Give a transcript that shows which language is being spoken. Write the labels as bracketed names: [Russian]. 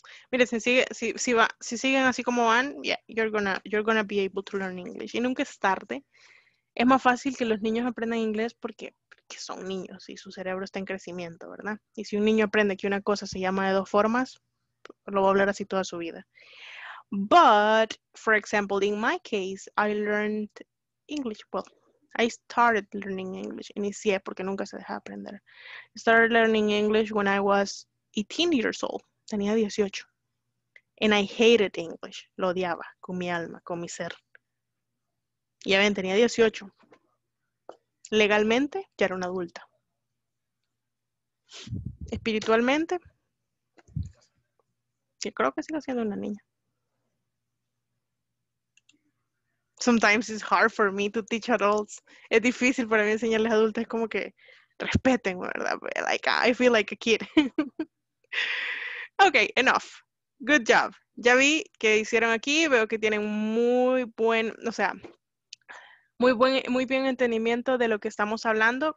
[Spanish] Mire, si siguen así como van, [English] yeah, you're gonna be able to learn English. [Spanish] Y nunca es tarde. Es más fácil que los niños aprendan inglés porque son niños y su cerebro está en crecimiento, ¿verdad? Y si un niño aprende que una cosa se llama de dos formas, lo va a hablar así toda su vida. [English] But, for example, in my case, I learned English. Well, I started learning English. [Spanish] Inicié porque nunca se deja aprender. [English] I started learning English when I was 18 years old. [Spanish] Tenía 18. [English] And I hated English. [Spanish] Lo odiaba con mi alma, con mi ser. Ya ven, tenía 18. Legalmente, ya era una adulta. Espiritualmente, yo creo que sigo siendo una niña. [English] Sometimes it's hard for me to teach adults. [Spanish] Es difícil para mí enseñarles a adultos. Es como que respeten, ¿verdad? [English] Like, I feel like a kid. Okay, enough. Good job. [Spanish] Ya vi que hicieron aquí. Veo que tienen muy bien entendimiento de lo que estamos hablando.